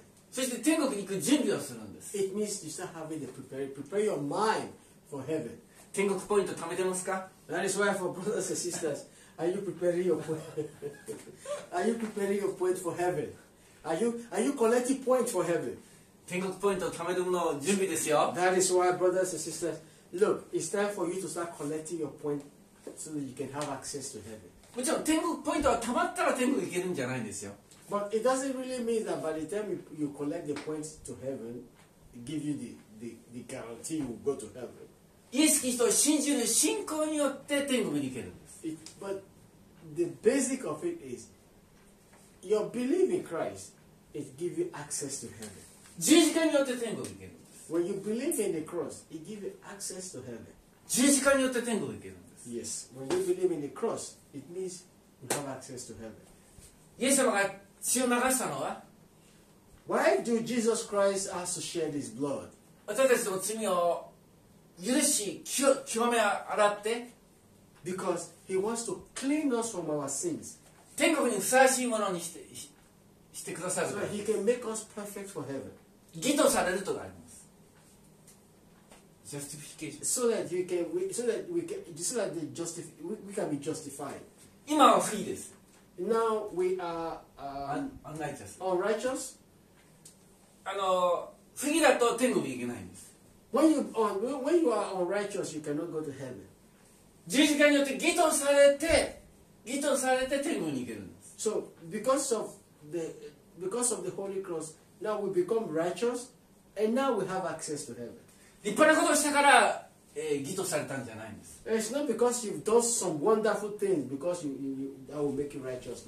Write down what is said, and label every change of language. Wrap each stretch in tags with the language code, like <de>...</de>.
<ja>そして天国に行く準備をするんです。</ja> <en>It means you start having to prepare your mind for heaven.</en> <ja>天国ポイント貯めてますか?</ja> <en>That is why for brothers and sisters. Are you preparing your point? Are you preparing your point for heaven? Are you collecting points for heaven?</en> <ja>天国ポイントを貯めるの準備ですよ。</ja> <en>That is why, brothers and sisters, look, it's time for you to start collecting your point so that you can have access to heaven.</en> <ja>もちろん天国ポイントは貯まったら天国行けるんじゃないんですよ。</ja> <en>But it doesn't really mean that by the time you collect the points to heaven, it gives you the guarantee you will go to heaven.</en> <ja>イエス・キリストを信じる信仰によって天国に行ける。</ja> <en>But the basic of it is your belief in Christ. It gives you access to heaven.</en> <ja>十字架によって天国に行けるんです。</ja> <en>When you believe in the cross, it gives you access to heaven.</en> <ja>十字架によって天国に行けるんです。</ja> <en>Yes. When you believe in the cross, it means you have access to heaven.</en> <ja>イエス様が血を流したのは?</ja> <en>Why do Jesus Christ ask to shed his blood?</en> <ja>私たちの罪を許し、清め洗って。</ja> <en>Because he wants to clean us from our sins.</en> <ja>天国にふさわしいものにしてくださる。</ja> <en>So he can make us perfect for heaven.</en> <ja>義とされるとがあります。</ja> <en>Justification. So that we can be justified.</en> <ja>今は不義です。</ja> <en>Now we are unrighteous. Unrighteous.</en> <ja>不義だと天国に行けないんです。</ja> <en>When you are unrighteous, you cannot go to heaven.</en> <ja>十字架によって義とされて天国に行けるんです。</ja> <en>So because of the Holy Cross, now we become righteous, and now we have access to heaven.</en> <ja>立派なことをしたから、義とされたんじゃないんです。</ja> <en>It's not because you've done some wonderful things because you that will make you righteous.</en>